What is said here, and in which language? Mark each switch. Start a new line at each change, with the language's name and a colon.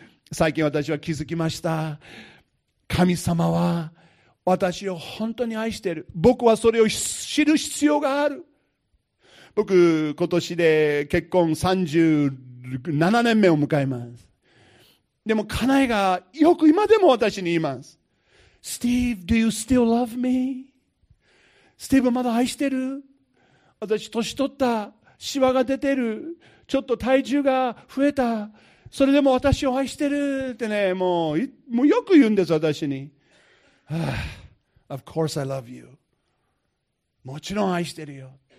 Japanese: 最近私は気づきました。神様は私を本当に愛している。僕はそれを知る必要がある。僕、今年で結婚37年目を迎えます。でも、家内がよく今でも私に言います。
English: Steve, do you still love me?
Japanese: スティーブまだ愛してる?私年取った。シワが出てる。ちょっと体重が増えた。それでも私を愛してる。ってね、もうよく言うんです、私に。
English: Of course I love you.
Japanese: もちろん愛してるよ。